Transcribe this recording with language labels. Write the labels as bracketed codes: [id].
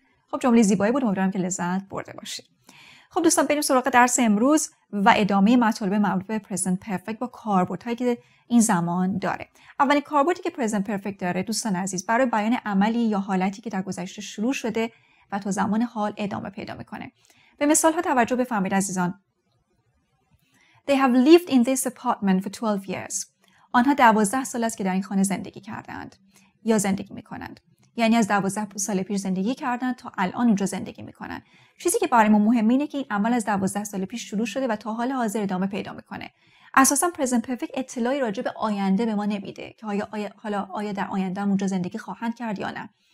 [fa] خب جمله زیبایی بود، امیدوارم که لذت برده باشید. خب دوستان، بریم سراغ درس امروز و ادامه مطالب مربوط به پرزنت پرفکت با کاربردهایی که این زمان داره. اولین کاربردی که پرزنت پرفکت داره دوستان عزیز، برای بیان عملی یا حالتی که در گذشته شروع شده و تا زمان حال ادامه پیدا میکنه. به مثال ها توجه بفرمایید عزیزان. [en] They have lived in this apartment for 12 years. [fa] آنها 12 سال است که در این خانه زندگی کردند یا زندگی میکنند. یعنی از 12 سال پیش زندگی کردن تا الان اونجا زندگی میکنن. چیزی که برای ما مهمه اینه که این عمل از 12 سال پیش شروع شده و تا حال حاضر ادامه پیدا میکنه. اساسا پرزنت پرفکت اطلاعی راجع به آینده به ما نمیده که آیا در آینده هم اونجا زندگی خواهند کرد یا نه.